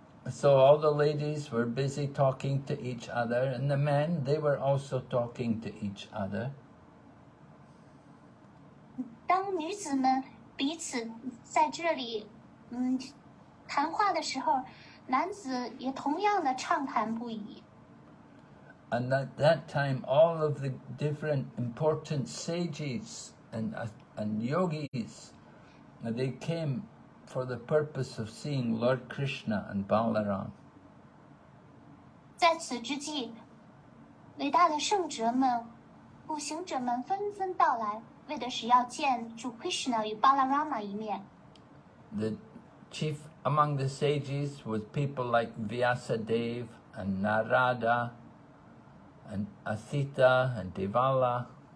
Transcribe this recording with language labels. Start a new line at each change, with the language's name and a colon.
English: So all the ladies were busy talking to each other, and the men, they were also talking to each other.
Chinese: 当女子们彼此在这里谈话的时候，男子也同样的畅谈不已。
English: And at that time, all of the different important sages and yogis, they came for the purpose of seeing Lord Krishna and Balaram.
Chinese: 在此之际，伟大的圣者们、步行者们纷纷到来。
English: The chief among the sages was people like Vyasa Dev, and Narada and Asita and Devala.